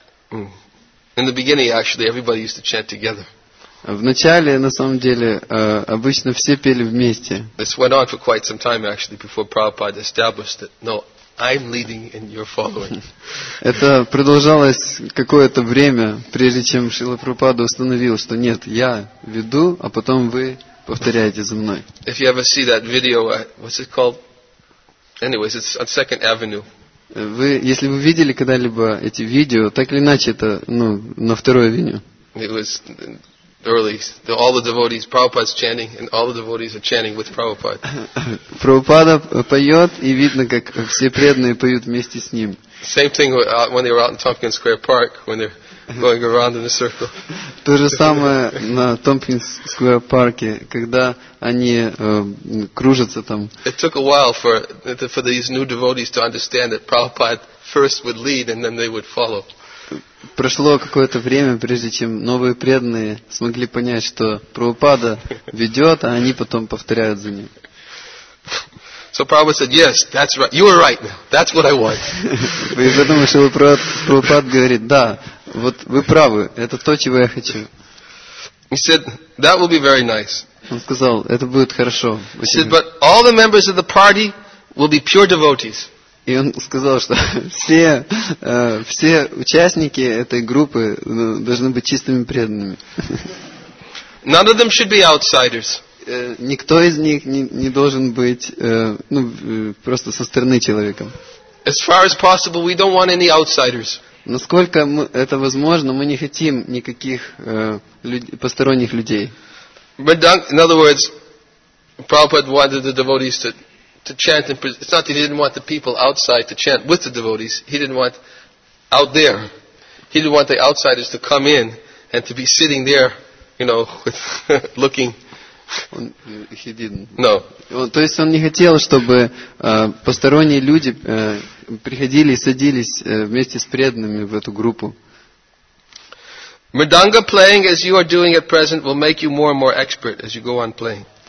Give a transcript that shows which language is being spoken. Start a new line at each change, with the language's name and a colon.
English: In the beginning, actually, everybody used to chant together.
Russian: В начале, на самом деле, обычно все пели вместе.
English: This went on for quite some time, actually, before Prabhupada established it. No, I'm leading and you're following.
Russian: Это продолжалось какое-то время, прежде чем Шрила Прабхупада установил, что нет, я веду, а потом вы повторяете за мной.
English: If you ever see that video, what's it called? Anyways, it's on Second Avenue.
Russian: Вы, если вы видели когда-либо эти видео, так или иначе, это на второй авеню.
English: It was early. All the devotees, Prabhupada's chanting, and all the devotees are chanting with Prabhupada.
Russian: Прабхупада поет, и видно, как все преданные поют вместе с ним.
English: Same thing when they were out in Tompkins Square Park, when they're going around in a circle.
Russian: То же самое на Tompkins Square Park, когда они кружатся там.
English: It took a while for these new devotees to understand that Prabhupada first would lead and then they would follow.
Russian: Прошло какое-то время, прежде чем новые преданные смогли понять, что Прабхупада ведет, а они потом повторяют за ним.
English: So Prabhupada said, yes, that's right. You are right. That's what I want.
Russian: И потому что Прабхупада говорит, да, вот вы правы, это то, чего я хочу.
English: He said, that will be very nice.
Russian: Он сказал, это будет хорошо.
English: He said, but all the members of the party will be pure devotees.
Russian: И он сказал, что все участники этой группы должны быть чистыми преданными.
English: None of them should be outsiders.
Russian: Никто из них не должен быть просто со стороны человеком.
English: As far as possible, we don't want any outsiders.
Russian: Насколько это возможно, мы не хотим никаких посторонних людей.
English: But in other words, Prabhupada wanted the devotees to chant and present. It's not that he didn't want the people outside to chant with the devotees. He didn't want out there. He didn't want the outsiders to come in and to be sitting there, you know, with looking. He didn't. No.
Russian: То есть он не хотел, чтобы посторонние люди приходили и садились вместе с преданными в эту группу.
English: Mridanga playing as you are doing at present will make you more and more expert as you go on playing.